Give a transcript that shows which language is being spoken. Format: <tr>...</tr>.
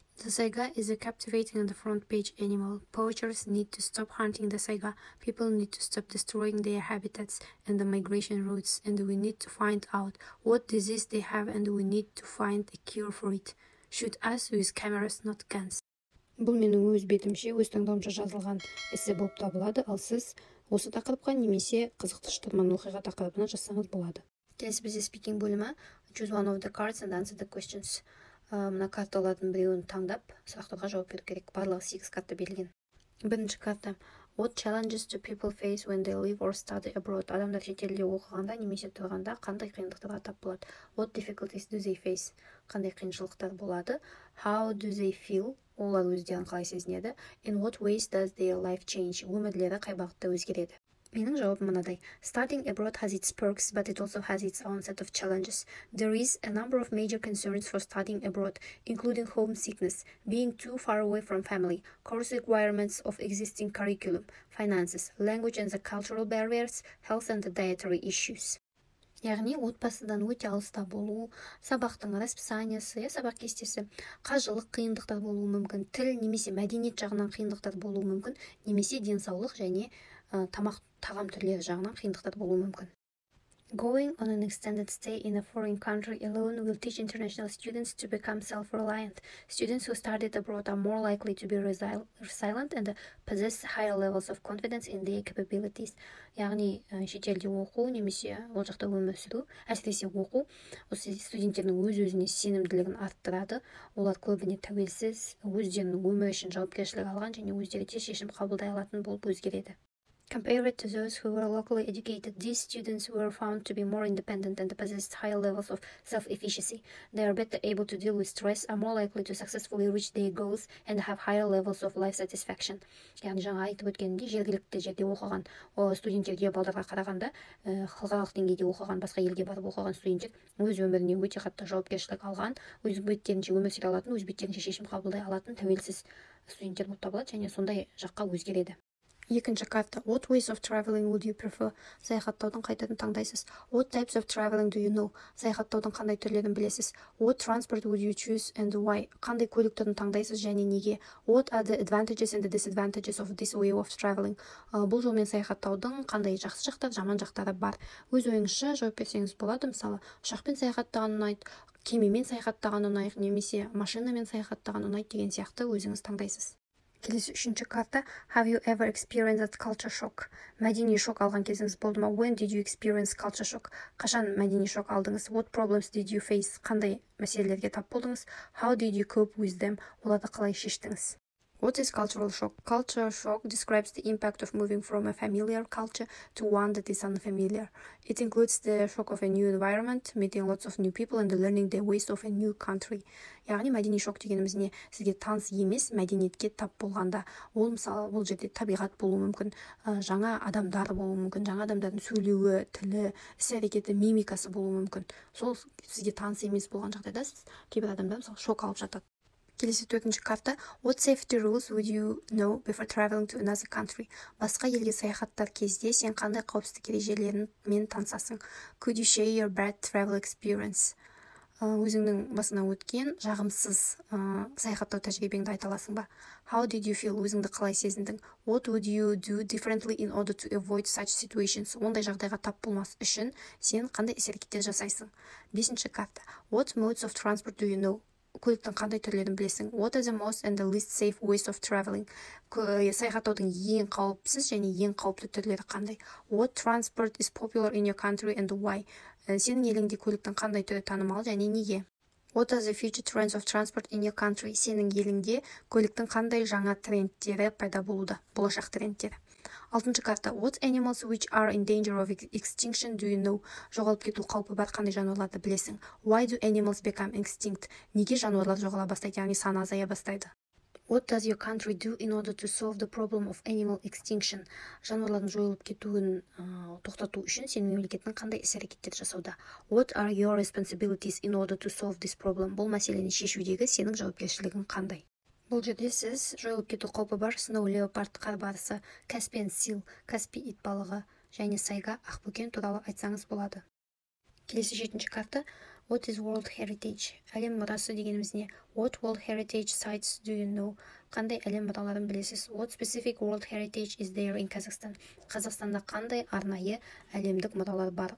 <en>The saiga is a captivating and front-page animal. Poachers need to stop hunting the saiga. People need to stop destroying their habitats and the migration routes. And we need to find out what disease they have, and we need to find a cure for it. Shoot us with cameras, not guns.</en> <kk>Бұл менің өз бетімше, өз таңдауымша жазылған эссе болып табылады. Ал сіз осы тақырыпқа немесе қызықты шытырман оқиға тақырыпына жазсаңыз болады. Келесі бізде speaking бөлімі.</kk> <en>Choose one of the cards and answer the questions.</en> <kk>Мына карталардың біреуін таңдап, сұрақтарға жауап беру керек. Барлығы 8 карта берілген. Бірінші карта.</kk> <en>What challenges do people face when they live or study abroad?</en> <kk>Адамдар шетелде оқығанда немесе тұрғанда қандай қиындықтарға тап болады?</kk> <en>What difficulties do they face?</en> <kk>Қандай қиыншылықтар болады?</kk> <en>How do they feel?</en> <kk>Олар өздерін қалай сезінеді?</kk> <en>In what ways does their life change?</en> <kk>Өмірлері қай бағытта өзгереді? Менің жауабым мынадай.</kk> <en>Studying abroad has its perks, but it also has its own set of challenges. There is a number of major concerns for studying abroad, including homesickness, being too far away from family, course requirements of existing curriculum, finances, language and the cultural barriers, health and the dietary issues.</en> <kk>Яғни отбасыдан өте алыста болу, сабақтың расписаниесі, сабақ кестесі, қаржылық қиындықтар болуы мүмкін, тіл немесе мәдениет жағынан қиындықтар болуы мүмкін, немесе денсаулық және тағам түрлері жағынан қиындықтар болуы мүмкін.</kk> <en>Going on an extended stay in a foreign country alone will teach international students to become self-reliant. Students who studied abroad are more likely to be resilient and possess higher levels of confidence in their capabilities.</en> <kk>Яғни, шетелде оқу немесе ол жақта өмір сүру, әсіресе оқу, осы студенттердің өз-өзіне сенімділігін арттырады. Олар көбіне тәуелсіз, өздерінің өмірі үшін жауапкершілік алған және өздері тез шешім қабылдай алатын болып өзгереді.</kk> <en>Compared to those who were locally educated, these students were found to be more independent and possessed higher levels of self-efficacy. They are better able to deal with stress, are more likely to successfully reach their goals, and have higher levels of life satisfaction.</en> <kk>Яғни жаңа айтып өткенде жергілікті жерде оқыған студенттерге балдарға қарағанда, халықаралық деңгейде оқыған басқа елге барып оқыған студенттер өз өміріне өте қатты жауапкершілік алған, өз беттерінше өмір сүре алатын, өз беттерінше шешім қабылдай алатын тәуелсіз студенттер болып табылады және сондай жаққа өзгереді. Екінші карта.</kk> <en>What ways of traveling would you prefer?</en> <kk>Саяхаттаудың қайтатын таңдайсыз.</kk> <en>What types of traveling do you know?</en> <kk>Саяхаттаудың қандай түрлерін білесіз.</kk> <en>What transport would you choose and why?</en> <kk>Қандай көліктердің таңдайсыз және неге?</kk> <en>What are the advantages and the disadvantages of this way of traveling?</en> <kk>Бұл жолмен саяхаттаудың қандай жақсы жақтары, жаман жақтары бар? Өз ойыңызша жауап берсеңіз болады. Мысалы, ұшақпен саяхаттаған ұнайды, кемемен саяхаттаған ұнайды, немесе машинамен саяхаттаған ұнайды деген сияқты өзіңіз таңдайсыз. Келесі үшінші карта.</kk> <en>Have you ever experienced culture shock?</en> <kk>Мәдени шок алған кезіңіз болды ма?</kk> <en>When did you experience culture shock?</en> <kk>Қашан мәдени шок алдыңыз?</kk> <en>What problems did you face?</en> <kk>Қандай мәселелерге тап болдыңыз?</kk> <en>How did you cope with them?</en> <kk>Оларды қалай шештіңіз?</kk> <en>What is cultural shock? Culture shock describes the impact of moving from a familiar culture to one that is unfamiliar. It includes the shock of a new environment, meeting lots of new people and learning the ways of a new country.</en> <kk>Яғни мәдени шок дегеніміз не? Сізге таныс емес мәдениетке тап болғанда, ол мысалы бұл жерде табиғат болуы мүмкін, жаңа адамдар болуы мүмкін, жаңа адамдардың сөйлеуі, тілі, іс-әрекеті, мимикасы болуы мүмкін. Сол сізге таныс емес болған жағдайда сіз кейбір адамдар мысалы шок алып жатады. Келесі төртінші карта.</kk> <en>What safety rules would you know before traveling to another country?</en> <kk>Басқа елге саяхаттар кезде сен қандай қауіпсіздік ережелерімен танысасың?</kk> <en>Could you share your bad travel experience?</en> <kk>Өзіңнің басына өткен жағымсыз саяхаттау тәжірибеңді айта аласың ба?</kk> <en>How did you feel?</en> <kk>Өзіңді қалай сезіндің?</kk> <en>What would you do differently in order to avoid such situations?</en> <kk>Ондай жағдайға тап болмас үшін сен қандай іс-әрекеттер жасайсың? Бесінші карта.</kk> <en>What modes of transport do you know?</en> <kk>Көліктің қандай түрлерін білесің?</kk> <en>What are the most and the least safe ways of traveling?</en> <kk>Саяхаттаудың ең қауіпсіз және ең қауіпті түрлері қандай?</kk> <en>What transport is popular in your country and why?</en> <kk>Сенің еліңде көліктің қандай түрі танымал және неге?</kk> <en>What are the future trends of transport in your country?</en> <kk>Сенің еліңде көліктің қандай жаңа трендтері пайда болуда? Болашақ трендтері. Алтыншы карта.</kk> <en>What animals which are in danger of extinction do you know?</en> <kk>Жоғалып кету қаупі бар қандай жануарларды білесің?</kk> <en>Why do animals become extinct?</en> <kk>Неге жануарлар жоғала бастайды, яғни саны азая бастайды?</kk> <en>What does your country do in order to solve the problem of animal extinction?</en> <kk>Жануарлардың жойылып кетуін тоқтату үшін сенің мемлекетің қандай іс-әрекеттер жасауда?</kk> <en>What are your responsibilities in order to solve this problem?</en> <kk>Бұл мәселені шешудегі сенің жауапкершілігің қандай? Бұл жерде сіз жойылып кету қаупі бар сноу леопард қарбарысы, каспиан сил, каспи итбалығы және сайга ақбөкен туралы айтсаңыз болады. Келесі жетінші карта.</kk> <en>What is World Heritage?</en> <kk>Әлем мұрасы дегеніміз не?</kk> <en>What World Heritage sites do you know?</en> <kk>Қандай әлем мұраларын білесіз?</kk> <en>What specific World Heritage is there in Kazakhstan?</en> <kk>Қазақстанда қандай арнайы әлемдік мұралар бар?</kk>